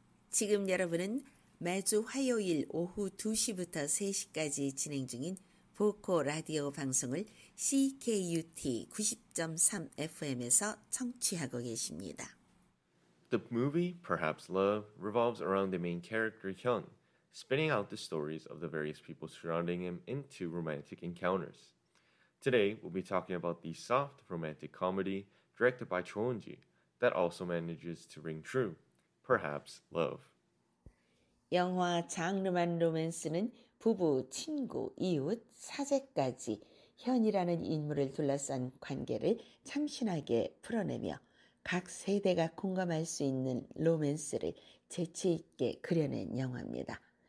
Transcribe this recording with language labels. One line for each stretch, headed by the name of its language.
Korean: 지금 여러분은 매주 화요일 오후 2시부터 3시까지 진행 중인 보코 라디오 방송을 CKUT 90.3 FM에서 청취하고 계십니다.
English: The movie, Perhaps Love, revolves around the main character Hyun, spinning out the stories of the various people surrounding him into romantic encounters. Today, we'll be talking about the soft romantic comedy directed by Cho Eun-ji that also manages to ring true, Perhaps Love.
Korean: 영화 장르만 로맨스는 부부, 친구, 이웃, 사제까지 현이라는 인물을 둘러싼 관계를 참신하게 풀어내며 각 세대가 공감할 수 있는 로맨스를 재치 있게 그려낸 영화입니다.